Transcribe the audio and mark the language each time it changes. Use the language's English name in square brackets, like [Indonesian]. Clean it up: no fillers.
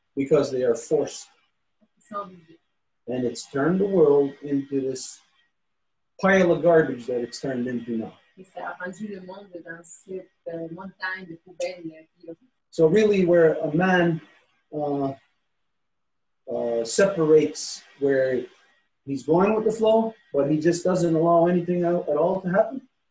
[English] Because they are forced. And it's turned the world into this pile of garbage that it's turned into now. [French] Et ça a rendu le monde dans cette montagne de poubelles. [English] So really where a man separates where he's going with the flow, but he just doesn't allow anything at all to happen.